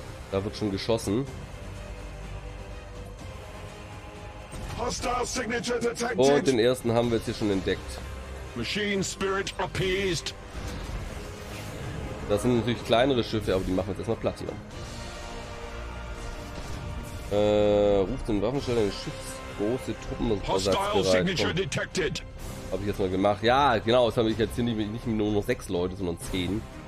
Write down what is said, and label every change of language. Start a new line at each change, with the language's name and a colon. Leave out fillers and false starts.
German: Da wird schon geschossen.
English: Hostile signature detected.
German: Und den ersten haben wir jetzt hier schon entdeckt.
English: Machine spirit appeased.
German: Das sind natürlich kleinere Schiffe, aber die machen jetzt erstmal platt hier. Ruft den Waffensteller eine schiffsgroße Truppenersatz bereit.
English: Hostile signature detected.
German: Hab ich jetzt mal gemacht. Ja, genau, das habe ich jetzt hier nicht nur noch 6 Leute, sondern 10.